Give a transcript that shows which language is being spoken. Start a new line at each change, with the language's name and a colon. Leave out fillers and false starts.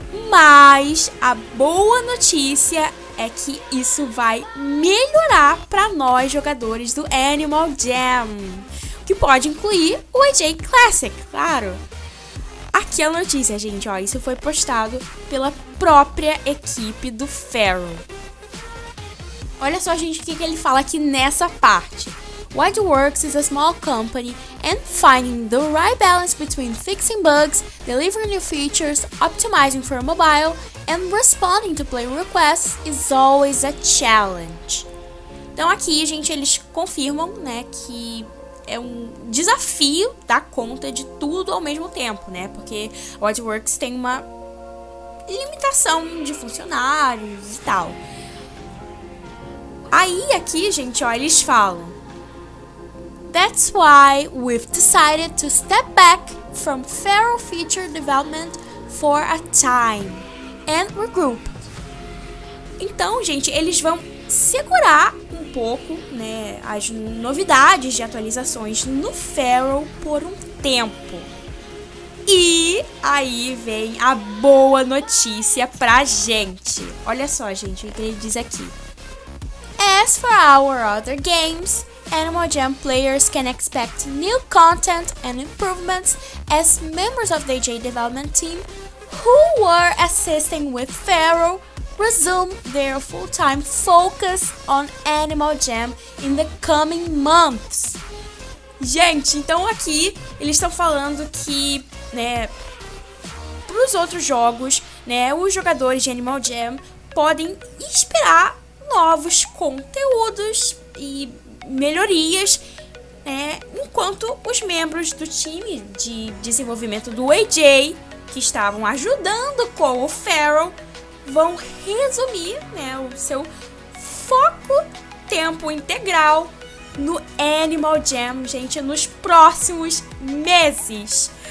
Portuguese: Mas a boa notícia é que isso vai melhorar para nós jogadores do Animal Jam, que pode incluir o AJ Classic, claro. Aqui a notícia, gente, ó, isso foi postado pela própria equipe do Pharaoh. Olha só, gente, o que ele fala aqui nessa parte.
English: WildWorks is a small company and finding the right balance between fixing bugs, delivering new features, optimizing for mobile, and responding to player requests is always a challenge.
Portuguese: Então aqui, gente, eles confirmam, né, que é um desafio dar conta de tudo ao mesmo tempo, né? Porque WildWorks tem uma limitação de funcionários e tal. Aí, aqui, gente, ó, eles falam:
English: "That's why we've decided to step back from Pharaoh feature development for a time and regroup."
Portuguese: Então, gente, eles vão segurar um pouco, né, as novidades de atualizações no Pharaoh por um tempo. E aí vem a boa notícia pra gente. Olha só, gente, o que ele diz aqui.
English: "As for our other games, Animal Jam players can expect new content and improvements as members of the AJ development team who were assisting with Pharaoh resume their full-time focus on Animal Jam in the coming months."
Portuguese: Gente, então aqui eles estão falando que, né, para os outros jogos, né, os jogadores de Animal Jam podem esperar novos conteúdos e melhorias, né, enquanto os membros do time de desenvolvimento do AJ, que estavam ajudando com o Pharaoh, vão resumir, né, o seu foco tempo integral no Animal Jam, gente, nos próximos meses.